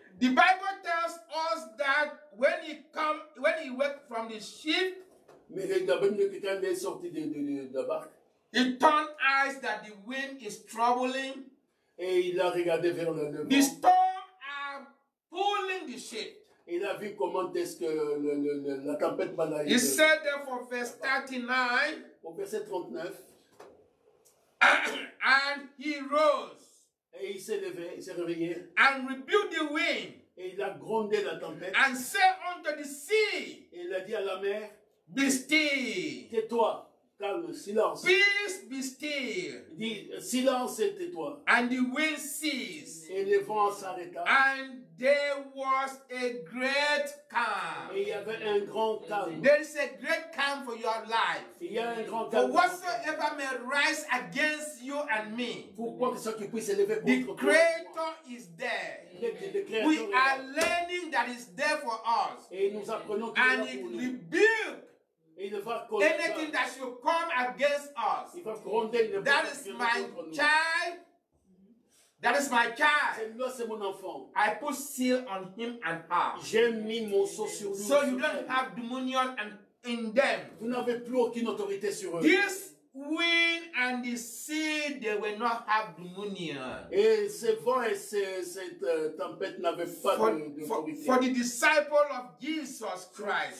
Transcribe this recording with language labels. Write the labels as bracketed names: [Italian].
[English] The Bible tells us that when he come, when he woke from the ship, [French] mais la Bible dit qu'il est sorti de barque. [English] He turned eyes that the wind is troubling. [French] Et il a regardé vers le vent. [English] The storm are pulling the ship. [French] Il a vu comment est-ce que la tempête va aller. [English] He said therefore verse 39. [French] Au verset 39. [English] And he rose. [French] Et il s'est levé, il s'est réveillé. [English] And rebuked the wind. [French] Et il a grondé la tempête. [English] And said unto the sea. [French] Et il a dit à la mer. [English] Be still. [French] Tais-toi. Calme, silence. [English] Peace be still. [French] Dis, silence et tais-toi. [English] And the wind ceased. [French] Et le vent s'arrêta. [English] And there was a great calm. [French] Et il y avait un grand calme. [English] There is a great calm for your life. [French] Il y a un grand calme. [English] For whatsoever may rise against you and me. [French] Pour quoi que ce soit qui puisse s'élever contre toi. [English] The creator is there. [French] Le [English] we are là. Learning that is there for us. [French] Et nous apprenons qu'il [English] and it rebuke. Anything that should come against us. That is my child. That is my child. [French] C'est lui, c'est mon enfant. [English] I put seal on him and her. [French] J'ai mis mon sceau sur lui. [English] So you don't have dominion and in them. [French] Vous n'avez plus aucune autorité sur eux. [English] This wind and the sea, they will not have dominion. [French] Et ce vent et cette tempête n'avaient pas d'autorité. [English] For the disciple of Jesus Christ.